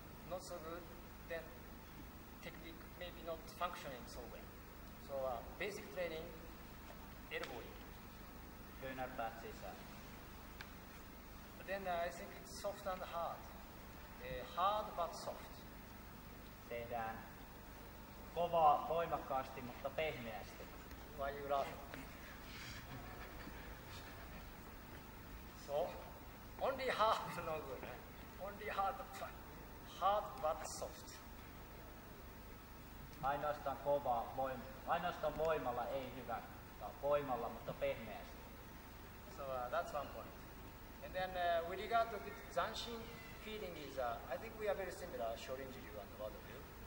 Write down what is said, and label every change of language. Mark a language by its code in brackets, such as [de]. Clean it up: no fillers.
[en] Not so good, then technique maybe not functioning so well. So, basic training, elbow in. [fi] Kyynärpäät sisään. [en] But then I think it's soft and hard. Hard but soft. [fi] Tehdään kovaa voimakkaasti, mutta pehmeästi. [en] Why you laugh? So, only hard, no good. Only hard, hard but soft. [fi] Ainoastaan kovaa voimalla, ainoastaan voimalla ei hyvä, vaan voimalla, mutta pehmeästi. [en] So that's one point. And then with regard to the Zanshin feeling is, I think we are very similar, Shorinji-ryu and Wado-ryu.